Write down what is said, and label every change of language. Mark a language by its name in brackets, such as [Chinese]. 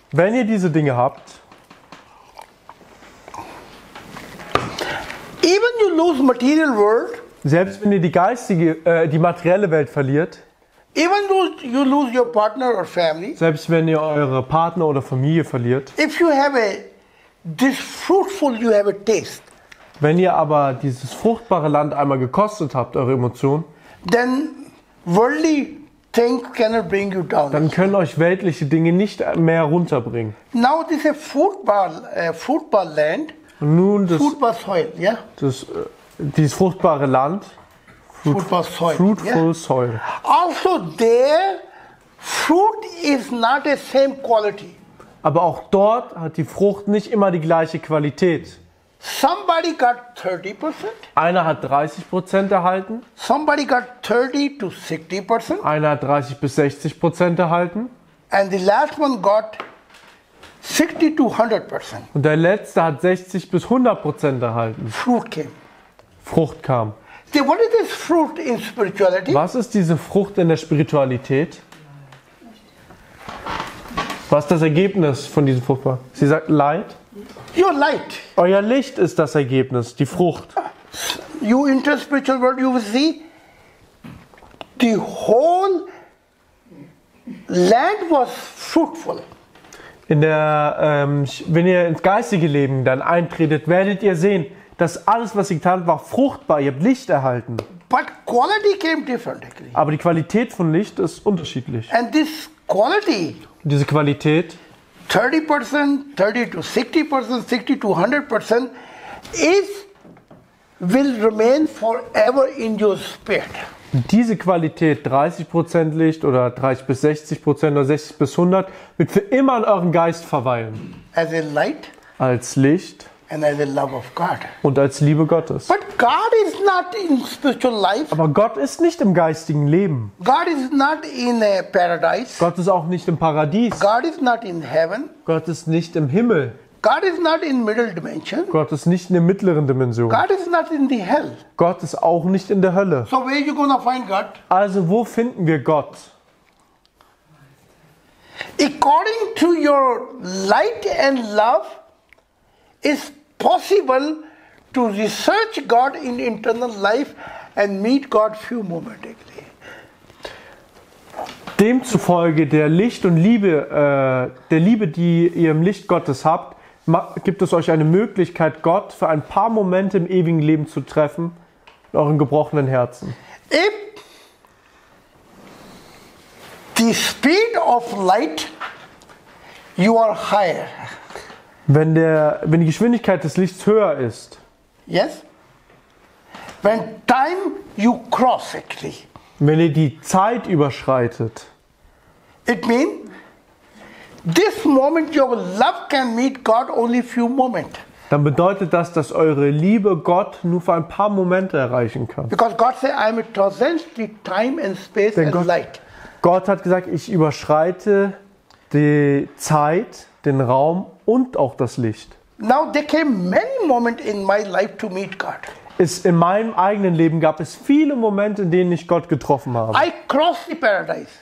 [German] Wenn ihr diese Dinge habt. [English] Even you lose material world. [German] Selbst wenn ihr die materielle Welt verliert. [English] Even you lose your partner or family. [German] Selbst wenn ihr eure Partner oder Familie verliert. [English] If you have this fruitful, you have a taste. [German] Wenn ihr aber dieses fruchtbare Land einmal gekostet habt, eure Emotionen, [English] then worldly things cannot bring you down. [German] Dann können euch weltliche Dinge nicht mehr runterbringen. [English] Now this is fruitful land. [German] Und nun das [English] fruitful soil, ja? Yeah? [German] Dieses fruchtbare Land. [English] Fruitful soil. Fruitful yeah? Soil. Also there fruit is not the same quality. [German] Aber auch dort hat die Frucht nicht immer die gleiche Qualität. [English] Somebody got 30%. [German] Einer hat 30% erhalten. [English] Somebody got 30-60%. [German] Einer hat 30-60% erhalten. [English] And the last one got 60-100%. [German] Und der letzte hat 60-100% erhalten. [English] Fruit came. [German] Frucht kam. [English] What is this fruit in spirituality? [German] Was ist diese Frucht in der Spiritualität? Was ist das Ergebnis von diesem Fruchtbar? Sie sagt Light. [English] Your light. [German] Euer Licht ist das Ergebnis, die Frucht. [English] You enter spiritual world, you will see the whole land was fruitful. [German] In der, wenn ihr ins geistige Leben dann eintretet, werdet ihr sehen, dass alles, was ihr getan habt, war fruchtbar. Ihr habt Licht erhalten. [English] But quality came differently. [German] Aber die Qualität von Licht ist unterschiedlich. [English] And this quality, [German] und diese Qualität, [English] 30%, 30 to 60%, 60 to 100% is, will remain forever in your spirit. [German] Diese Qualität, 30% Licht oder 30 bis 60% oder 60 bis 100, wird für immer in eurem Geist verweilen. [English] As a light. [German] Als Licht. [English] And as a love of God. [German] Und als Liebe Gottes. [English] But God is not in spiritual life. [German] Aber Gott ist nicht im geistigen Leben. [English] God is not in a paradise. [German] Gott ist auch nicht im Paradies. [English] God is not in heaven. [German] Gott ist nicht im Himmel. [English] God is not in middle dimension. [German] Gott ist nicht in der mittleren Dimension. [English] God is not in the hell. [German] Gott ist auch nicht in der Hölle. [English] So where you gonna find God? [German] Also wo finden wir Gott? [English] According to your light and love, it's possible to research God in internal life and meet God few momentarily. [German] Demzufolge der Licht und Liebe, der Liebe, die ihr im Licht Gottes habt, gibt es euch eine Möglichkeit, Gott für ein paar Momente im ewigen Leben zu treffen, in euren gebrochenen Herzen. [English] If the speed of light, you are higher. [German] Wenn die Geschwindigkeit des Lichts höher ist. [English] Yes. When time you cross, actually. [German] Wenn ihr die Zeit überschreitet. [English] It means this moment your love can meet God only few moment. [German] Dann bedeutet das, dass eure Liebe Gott nur für ein paar Momente erreichen kann. [English] Because God says I am transcending time and space and light. [German] Gott hat gesagt, ich überschreite die Zeit, den Raum und auch das Licht. [English] Now there came many moment in my life to meet God. [German] In meinem eigenen Leben gab es viele Momente, in denen ich Gott getroffen habe. [English] I crossed the paradise.